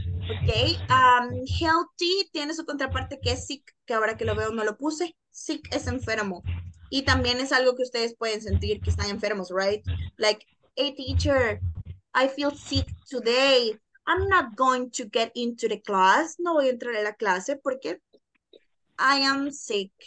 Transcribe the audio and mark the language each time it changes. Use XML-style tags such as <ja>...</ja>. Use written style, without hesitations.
<es>Okay, healthy tiene su contraparte que es sick, que ahora que lo veo no lo puse. Sick es enfermo. Y también es algo que ustedes pueden sentir que están enfermos, right?</es> <en>Like, hey teacher, I feel sick today. I'm not going to get into the class.</en> <es>No voy a entrar a la clase porque</es> <en>I am sick.</en>